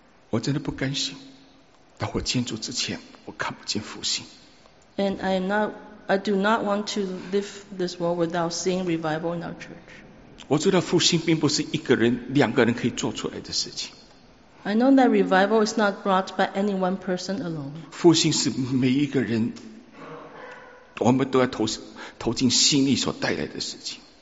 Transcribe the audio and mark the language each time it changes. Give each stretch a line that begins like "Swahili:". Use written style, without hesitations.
Chinese: 我真的不甘心，到我建筑之前，我看不见复兴。
English: And I do not want to live this world without seeing revival in our church.
Chinese: 我知道复兴并不是一个人、两个人可以做出来的事情。
English: I know that revival is not brought by any one person alone.
Chinese: 复兴是每一个人，我们都要投进心力所带来的事情。